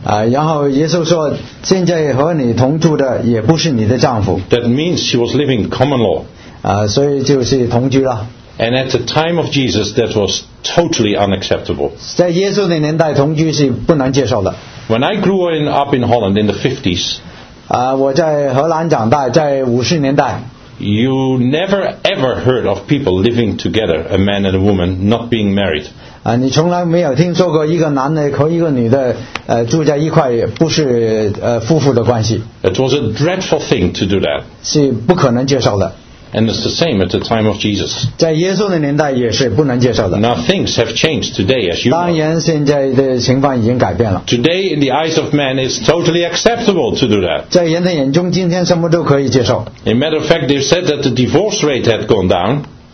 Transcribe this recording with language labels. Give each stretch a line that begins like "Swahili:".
Chinese: 然后耶稣说，现在和你同住的也不是你的丈夫。
English: That means she was living common law.
Chinese: 所以就是同居了。
English: And at the time of Jesus, that was totally unacceptable.
Chinese: 在耶稣的年代，同居是不能接受的。
English: When I grew up in Holland in the 50s,
Chinese: 我在荷兰长大，在50年代。
English: You never ever heard of people living together, a man and a woman, not being married.
Chinese: 你从来没有听说过一个男的和一个女的住在一块，不是夫妇的关系。
English: It was a dreadful thing to do that.
Chinese: 是不可能接受的。
English: And it's the same at the time of Jesus.
Chinese: 在耶稣的年代也是不能接受的。
English: Now things have changed today, as you know.
Chinese: 当然，现在的情况已经改变了。
English: Today, in the eyes of man, it's totally acceptable to do that.
Chinese: 在人的眼中，今天什么都可以接受。
English: In matter of fact, they said that the divorce rate had gone down.